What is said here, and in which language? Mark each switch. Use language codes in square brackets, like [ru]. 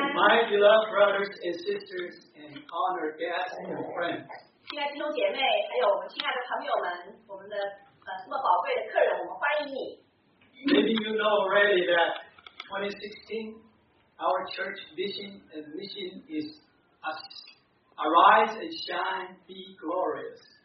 [en] My beloved brothers and sisters and honored guests and friends. [zh] 亲爱的弟兄姐妹，还有我们亲爱的朋友们，我们的这么宝贵的客人，我们欢迎你。 [en] Maybe you know already that 2016, our church vision and mission is arise and shine, be glorious.